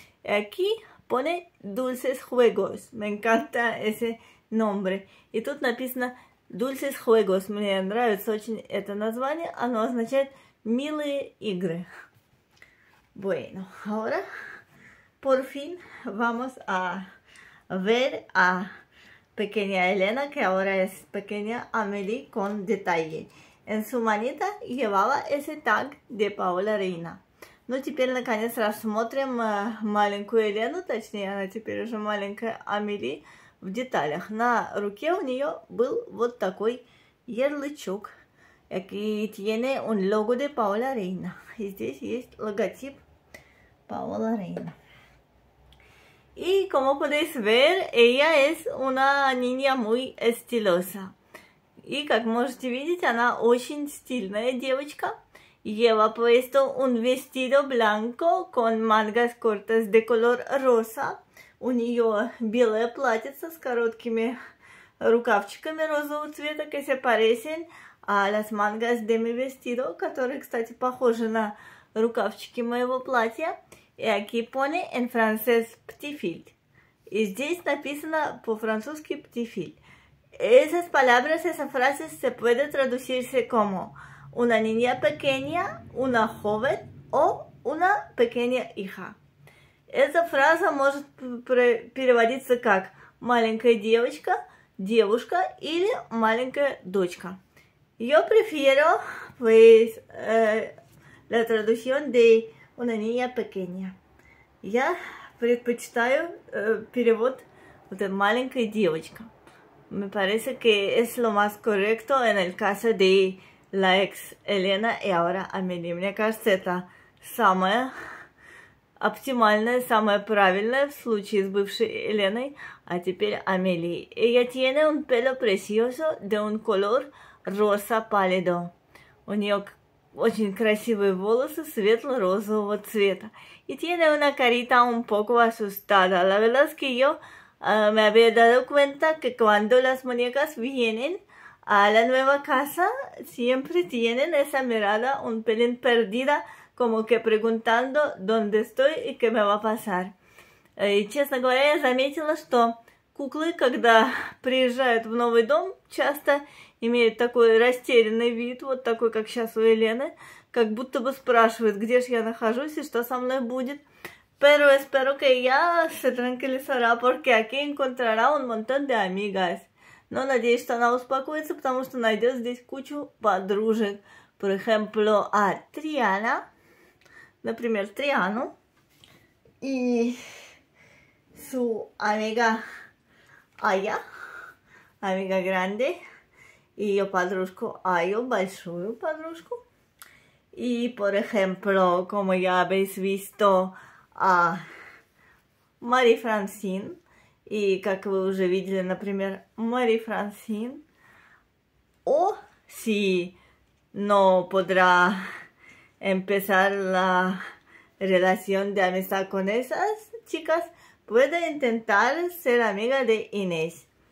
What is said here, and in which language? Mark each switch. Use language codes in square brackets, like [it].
[es] И aquí pone «Dulces Juegos». Me encanta ese nombre. [ru] И тут написано «Dulces Juegos». Мне нравится очень это название. Оно означает «милые игры». [es] Bueno, ahora por fin vamos a ver a pequeña Elena, que ahora es pequeña Amelie, con detalle. En su manita llevaba ese tag de Paola Reina. [ru] Ну, теперь, наконец, рассмотрим маленькую Елену, точнее, она теперь уже маленькая Амели, в деталях. На руке у нее был вот такой ярлычок. [es] Aquí tiene un logo de Paola Reina. [ru] И здесь есть логотип Paola Reina. [es] Y como podéis ver, ella es una niña muy estilosa. [ru] И, как можете видеть, она очень стильная девочка. [es] Lleva puesto un vestido blanco con mangas cortas de color rosa. [ru] У нее белое платьице с короткими рукавчиками розового цвета, [es] que se parecen a las mangas de mi vestido, [ru] которые, кстати, похожи на рукавчики моего платья. [es] И aquí pone en francés [fr] petit fil. [ru] И здесь написано по-французски [fr] petit fil. [es] Esas palabras, esas frases se puede traducirse como una niña pequeña, una joven o una pequeña hija. [ru] Эта фраза может переводиться как маленькая девочка, девушка или маленькая дочка. [es] Yo prefiero, pues, la traducción de una niña pequeña. [ru] Я предпочитаю перевод вот эта маленькая девочка. [es] Me parece que es lo más correcto en el caso de la ex Elena y ahora Amelie. [ru] Мне кажется, это самое оптимальное, самое правильное в случае с бывшей Еленой, а теперь Амелии. [es] Ella tiene un pelo precioso de un color rosa pálido. [ru] У нее очень красивые волосы светло-розового цвета. [es] И tiene una carita un poco asustada. La verdad es que yo me había dado cuenta que cuando las muñecas vienen a la nueva casa, siempre tienen esa mirada un pelín perdida, como que preguntando dónde estoy y qué me va a pasar. [ru] Y, честно говоря, я заметила, что куклы, когда приезжают в новый дом, часто имеют такой растерянный вид, вот такой, как сейчас у Елены, как будто бы спрашивают, где же я нахожусь и что со мной будет. [es] Pero espero que ella se tranquilizará porque aquí encontrará un montón de amigas. [ru] Но надеюсь, что она успокоится, потому что найдет здесь кучу подружек. [es] Por ejemplo, a Triana. [ru] Например, Триану. [es] И su amiga Aya. Amiga grande. [ru] И ее подружку Аю, большую подружку. [es] И, por ejemplo, como ya habéis visto, a Мари Франсин. [ru] И, как вы уже видели, например, Мари Франсин. [es] О, si no podrá empezar la relación de amistad con esas chicas, puede intentar ser amiga de Inés.